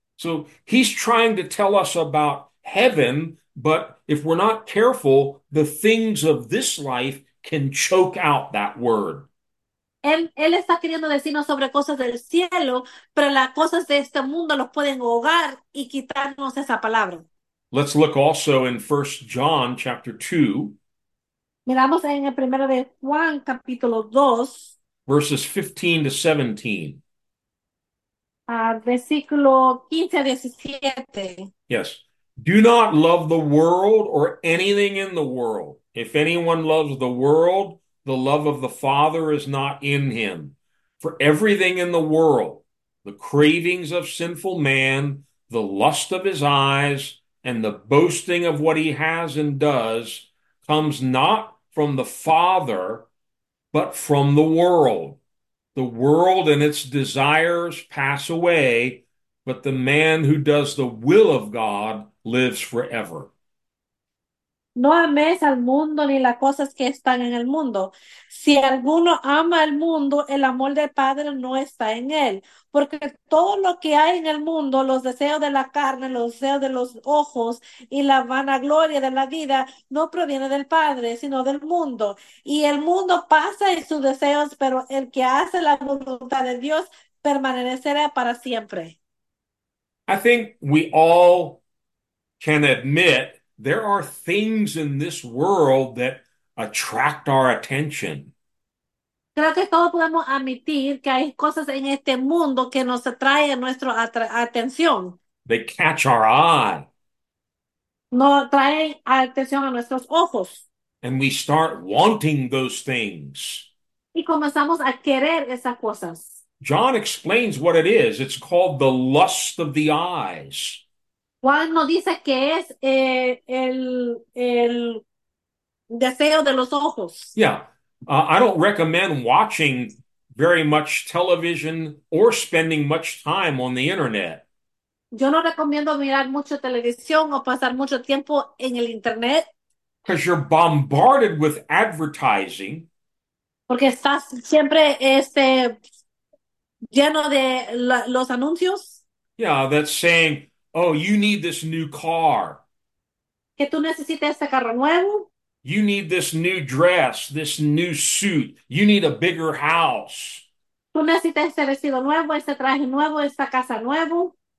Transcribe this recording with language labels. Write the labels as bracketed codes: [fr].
[en] So he's trying to tell us about heaven, but if we're not careful, the things of this life can choke out that word. [es] Él está queriendo decirnos sobre cosas del cielo, pero las cosas de este mundo los pueden ahogar y quitarnos esa palabra. [en] Let's look also in 1 John chapter 2, [es] Miramos en el primero de Juan, capítulo 2, [en] verses 15 to 17. [es] versículo 15 a 17. [en] Yes. Do not love the world or anything in the world. If anyone loves the world, the love of the Father is not in him. For everything in the world, the cravings of sinful man, the lust of his eyes, and the boasting of what he has and does, comes not from the Father, but from the world. The world and its desires pass away, but the man who does the will of God lives forever. [es] No ames al mundo ni las cosas que están en el mundo. Si alguno ama al mundo, el amor del Padre no está en él. Porque todo lo que hay en el mundo, los deseos de la carne, los deseos de los ojos y la vanagloria de la vida, no proviene del Padre, sino del mundo. Y el mundo pasa en sus deseos, pero el que hace la voluntad de Dios permanecerá para siempre. [en] I think we all can admit there are things in this world that attract our attention. [es] Creo que todos podemos admitir que hay cosas en este mundo que nos atraen nuestra atención. [en] They catch our eye. [es] Nos traen atención a nuestros ojos. [en] And we start wanting those things. [es] Y comenzamos a querer esas cosas. [en] John explains what it is. It's called the lust of the eyes. [es] Juan nos dice que es el deseo de los ojos. [en] I don't recommend watching very much television or spending much time on the internet. [es] Yo no recomiendo mirar mucho televisión o pasar mucho tiempo en el internet [en] Because you're bombarded with advertising. [es] porque estás siempre lleno de los anuncios [en] Yeah, that's saying, oh, you need this new car. [es] que tú necesites este carro nuevo. [en] You need this new dress, this new suit. You need a bigger house. [es] Tú necesitas este vestido nuevo, este traje nuevo, esta casa nuevo.